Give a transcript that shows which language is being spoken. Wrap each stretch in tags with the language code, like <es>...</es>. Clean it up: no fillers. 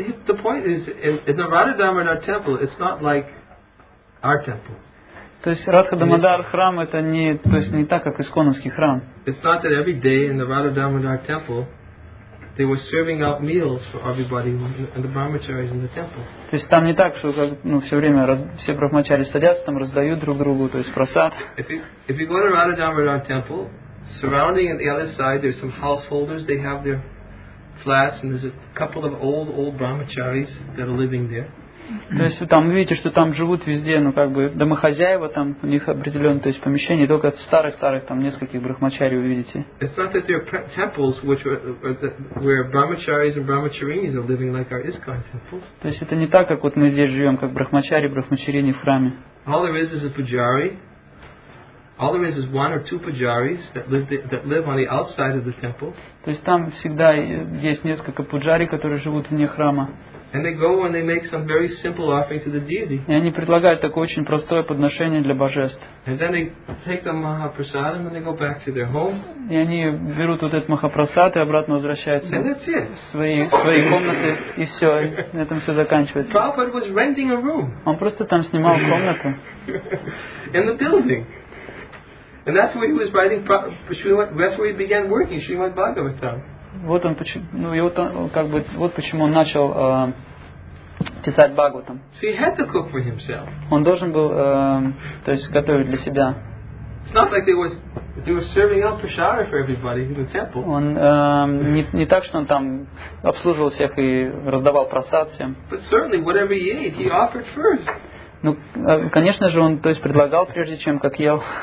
<en>The point is, in the Radha Damodar temple, it's not like our temple.</en> <ru>То есть Радха Дамодар храм это не, то есть не так как исконовский храм.</ru> <en>It's not that every day in the Radha Damodar temple. They were serving out meals for everybody and the brahmacharis in the temple.</en> <ru>То есть там не так, что как, ну, все время все брахмачари садятся, там раздают друг другу, то есть просад.</ru> <en>If you go to Radha Damodar temple, surrounding the other side, there's some householders, they have their flats, and there's a couple of old brahmacharis that are living there.</en> <ru>То есть там видите, что там живут везде, ну как бы домохозяева там, у них определенное, то есть помещение, только старых там нескольких брахмачари вы видите.</ru> <en>It's not that there are temples which where brahmacharis and brahmacharinis are living like our ISKCON temples.</en> <ru>То есть это не так, как вот мы здесь живем, как брахмачари, брахмачарини в храме.</ru> <en>All there is a pujari. All there is one or two pujaris that live on the outside of the temple.</en> <ru>То есть там всегда есть несколько пуджари, которые живут вне храма.</ru> <en>And they go and they make some very simple offering to the deity.</en> <ru>И они предлагают такое очень простое подношение для божеств.</ru> <en>And then they take the Mahaprasadam and they go back to their home.</en> <ru>И они берут вот этот Махапрасад и обратно возвращаются в свои комнаты и все, и на этом все заканчивается.</ru> <en>Prabhupada was renting a room.</en> <ru>Он просто там снимал комнату.</ru> <en>In the building. And that's where he was writing. That's where he began working. Srimad Bhagavatam.</en> <ru>Вот он почему, ну и вот он, как бы, вот почему он начал писать Бхагаватам.</ru> <en>So he had to cook for himself.</en> <ru>Он должен был, то есть, готовить для себя.</ru> <en>It's not like he was serving up prasada for everybody in the temple.</en> <ru>Он не так, что он там обслуживал всех и раздавал просад всем.</ru> <en>But certainly, whatever he ate, he offered first.</en> <ru>Ну, конечно же, он, то есть, предлагал прежде, чем как ел.</ru>